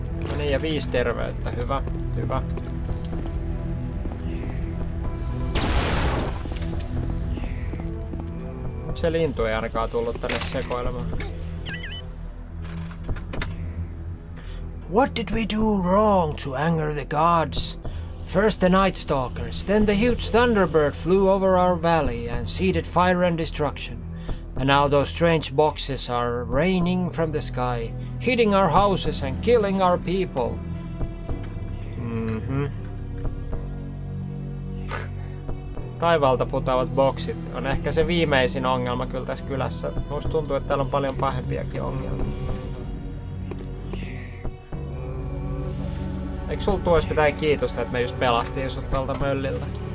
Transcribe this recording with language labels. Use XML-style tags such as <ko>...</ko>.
<fi>No niin, ja 5 terveyttä. Hyvä, hyvä. Mut se lintu ei ainakaan tullut tänne sekoilemaan.</fi> <en>What did we do wrong to anger the gods? First the Night Stalkers, then the huge Thunderbird flew over our valley and seeded fire and destruction. And now those strange boxes are raining from the sky, hitting our houses and killing our people.</en> <fi>Taivaalta putoavat boksit on ehkä se viimeisin ongelma kyllä tässä kylässä. Musta tuntuu, että täällä on paljon pahempiakin ongelmia. Eikö sulla tuo mitään kiitosta, että me just pelastiin sut tuolta möllillä?</fi>